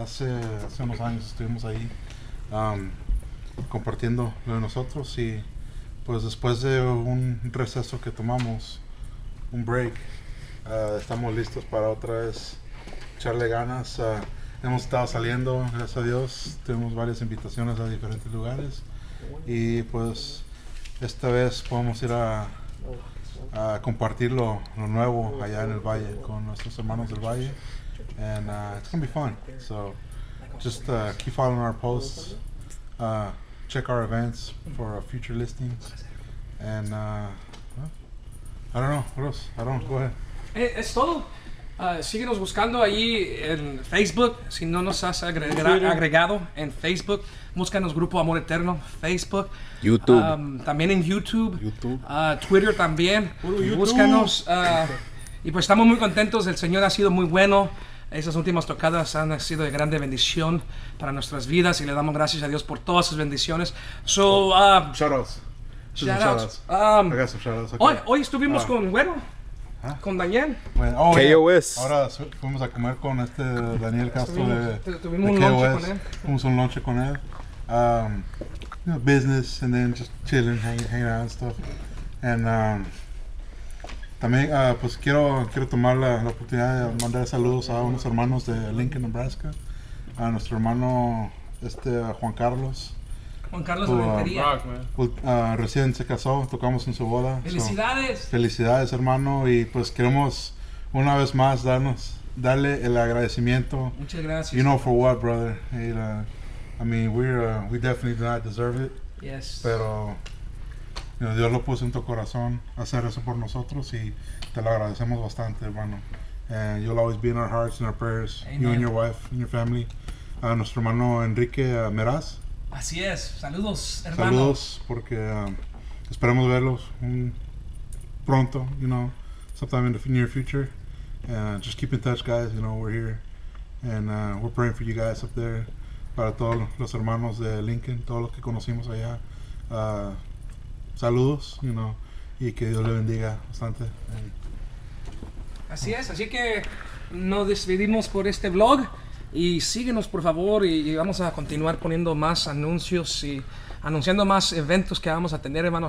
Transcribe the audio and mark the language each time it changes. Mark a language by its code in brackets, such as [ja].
[es] Hace unos años estuvimos ahí compartiendo lo de nosotros y pues después de un receso que tomamos, un break, estamos listos para otra vez echarle ganas. Hemos estado saliendo, gracias a Dios, tuvimos varias invitaciones a diferentes lugares y pues esta vez podemos ir a compartir lo nuevo allá en el valle con nuestros hermanos del valle. [en] And it's gonna be fun. So just keep following our posts, check our events for our future listings. And I don't know, what else? I don't, go ahead. [es] Es todo. Síguenos buscando ahí en Facebook, si no nos has Twitter. agregado en Facebook. Búscanos Grupo Amor Eterno, Facebook, YouTube. También en YouTube, YouTube. Twitter también. YouTube. Búscanos. Y pues estamos muy contentos, el Señor ha sido muy bueno. Esas últimas tocadas han sido de grande bendición para nuestras vidas y le damos gracias a Dios por todas sus bendiciones. [en] So, Shoutouts. Shout outs. I got some shout outs. Okay. [es] Hoy estuvimos con Güero. Con Daniel. [en] Bueno, oh, yeah. KOS. [es] Ahora fuimos a comer con este Daniel Castro tuvimos un lunch KOS. con él. Fuimos un lunch con él. [en] Business and then just chilling, hanging out and stuff. [es] And también pues quiero tomar la oportunidad de mandar saludos a unos hermanos de Lincoln, Nebraska. A nuestro hermano Juan Carlos. Juan Carlos [en] Who [es] Aventería. recién se casó, tocamos en su boda. So, ¡Felicidades! felicidades, hermano, y pues queremos una vez más darle el agradecimiento. Muchas gracias. [en] You know for what, brother? I mean, we definitely do not deserve it. Yes. [es] Pero Dios lo puso en tu corazón hacer eso por nosotros y te lo agradecemos bastante, hermano. [en] And you'll always be in our hearts and our prayers, you and Amen. Your wife and your family. [es] A nuestro hermano Enrique Meraz. Así es, saludos, hermano. Saludos, porque esperamos verlos pronto, [en] sometime in the near future. Just keep in touch, guys, we're here. And we're praying for you guys up there. [es] Para todos los hermanos de Lincoln, todos los que conocimos allá. Saludos, y que Dios le bendiga bastante. Así es, así que nos despedimos por este vlog. Y síguenos, por favor, y vamos a continuar poniendo más anuncios y anunciando más eventos que vamos a tener, hermano.